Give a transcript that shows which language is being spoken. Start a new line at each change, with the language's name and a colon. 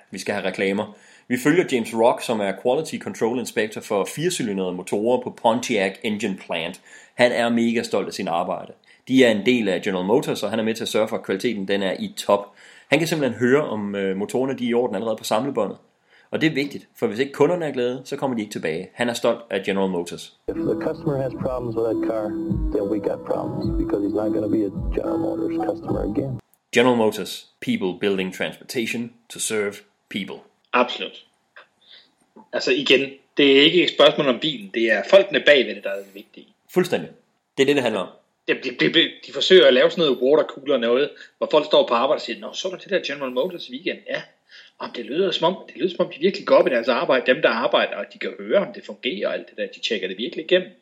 Danish: Vi skal have reklamer. Vi følger James Rock, som er Quality Control Inspector for 4-cylindrede motorer på Pontiac Engine Plant. Han er mega stolt af sin arbejde. De er en del af General Motors, og han er med til at sørge for, at kvaliteten den er i top. Han kan simpelthen høre, om motorerne de er i orden allerede på samlebåndet. Og det er vigtigt, for hvis ikke kunderne er glade, så kommer de ikke tilbage. Han er stolt af General Motors.
English: If the customer has problems with that car, then we got problems, because he's not going to be a General Motors customer again. General Motors, people building transportation to serve people.
Danish: Absolut. Altså igen, det er ikke et spørgsmål om bilen, det er folkene bagved det, der er det vigtige. Fuldstændig. Det er det, det handler om. De forsøger at lave sådan noget watercooler noget, hvor folk står på arbejde og siger, nå, så er der til det der General Motors weekend, ja. Det lyder som om de virkelig går op i deres arbejde, dem der arbejder, og de kan høre, om det fungerer og alt det der, de tjekker det virkelig igennem.